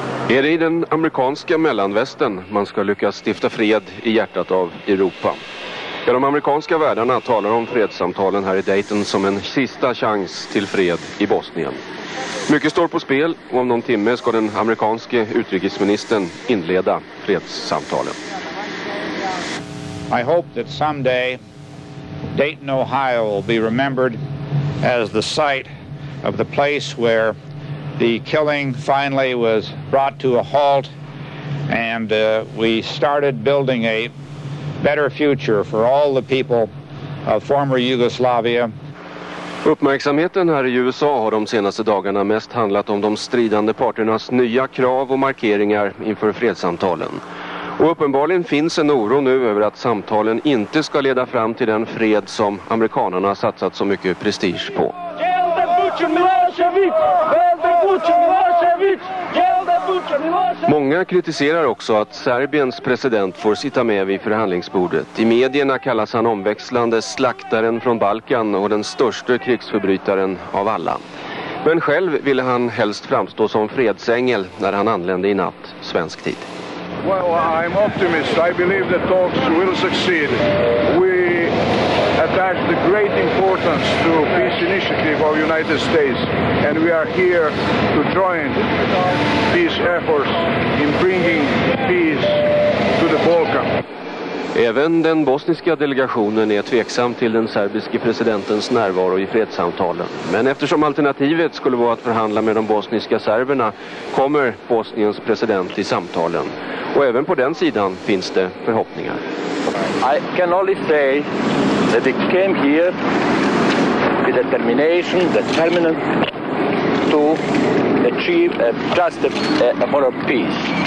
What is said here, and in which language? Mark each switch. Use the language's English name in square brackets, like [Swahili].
[Swedish] Är det i den amerikanska mellanvästen man ska lyckas stifta fred i hjärtat av Europa? Ja, de amerikanska värdarna talar om fredssamtalen här i Dayton som en sista chans till fred i Bosnien. Mycket står på spel och om någon timme ska den amerikanske utrikesministern inleda fredssamtalen. [English] I hope that someday Dayton, Ohio will be remembered as the site of the place where the killing finally was brought to a halt and we started building a better future for all the people of former Yugoslavia. [Swedish] Uppmärksamheten här i USA har de senaste dagarna mest handlat om de stridande parternas nya krav och markeringar inför fredssamtalen. Och uppenbarligen finns en oro nu över att samtalen inte ska leda fram till den fred som amerikanerna har satsat så mycket prestige på. Många kritiserar också att Serbiens president får sitta med vid förhandlingsbordet. I medierna kallas han omväxlande slaktaren från Balkan och den största krigsförbrytaren av alla. Men själv ville han helst framstå som fredsängel när han anlände i natt svensk tid. [English] Well, I'm optimist. I believe the talks will succeed. We attach the great importance to peace initiative of United States and we are here to join these efforts in bringing peace to the Balkan. [Swedish] Även den bosniska delegationen är tveksam till den serbiske presidentens närvaro i fredssamtalen. Men eftersom alternativet skulle vara att förhandla med de bosniska serberna kommer Bosniens president i samtalen. Och även på den sidan finns det förhoppningar. [English] I can only say that I came here with determination, determinant to achieve a just a moral peace.